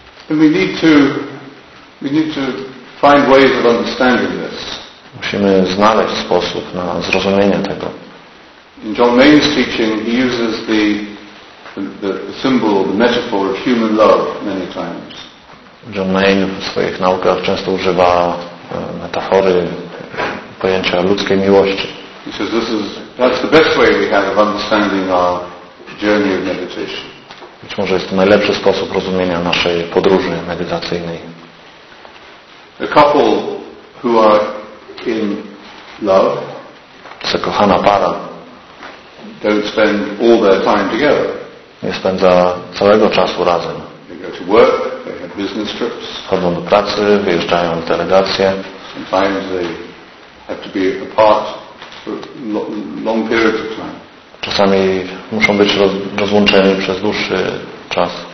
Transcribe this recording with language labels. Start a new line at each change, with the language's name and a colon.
English: And we need to find ways of understanding this.
Polish: Musimy znaleźć sposób na zrozumienie tego.
English: In John Maine's teaching, he uses the symbol, the metaphor of human love many times.
Polish: John Maine w swoich naukach często używa metafory, pojęcia ludzkiej miłości.
English: He says that's the best way we have of understanding our journey of meditation.
Polish: Być może jest to najlepszy sposób rozumienia naszej podróży medytacyjnej.
English: A couple who are in love,
Polish: zakochana para,
English: don't spend all their time together.
Polish: Nie spędza całego czasu razem.
English: They go to work, they have business trips.
Polish: Chodzą do pracy, wyjeżdżają w delegacje.
English: Sometimes they have to be apart for long periods of time.
Polish: Czasami muszą być rozłączeni przez dłuższy czas.